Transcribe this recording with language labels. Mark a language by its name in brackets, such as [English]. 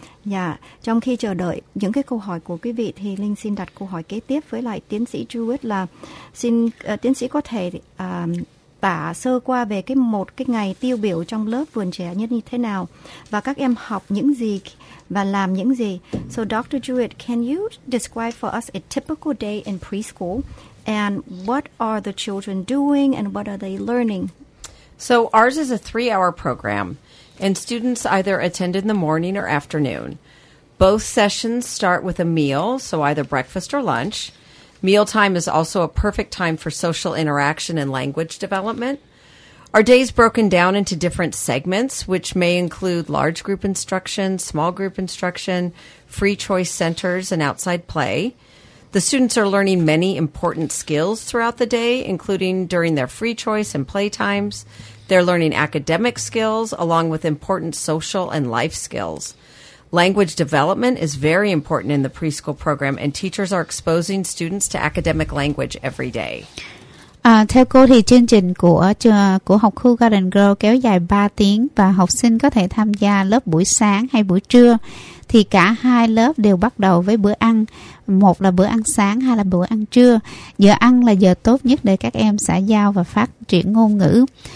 [Vietnamese] Dạ, trong khi chờ đợi những cái câu hỏi của quý vị thì Linh xin đặt câu hỏi kế tiếp với lại tiến sĩ Jewett là xin tiến sĩ có thể tả sơ qua về cái một cái ngày tiêu biểu trong lớp vườn trẻ như thế nào và các em học những gì và làm những gì. [English] So Dr. Jewett, can you describe for us a typical day in preschool and what are the children doing and what are they learning? So ours is a 3-hour program, and students either attend in the morning or afternoon. Both sessions start with a meal, so either breakfast or lunch. Mealtime is also a perfect time for social interaction and language development. Our day is broken down into different segments, which may include large group instruction, small group instruction, free choice centers, and outside play. The students are learning many important skills throughout the day, including during their free choice and play times. They're learning academic skills along with important social and life skills. Language development is very important in the preschool program, and teachers are exposing students to academic language every day. [Vietnamese] Theo cô thì chương trình của học khu Garden Grove kéo dài 3 tiếng và học sinh có thể tham gia lớp buổi sáng hay buổi trưa. Thì cả hai lớp đều bắt đầu với bữa ăn. Một là bữa ăn sáng, hai là bữa ăn trưa. Giờ ăn là giờ tốt nhất để các em xã giao và phát triển ngôn ngữ.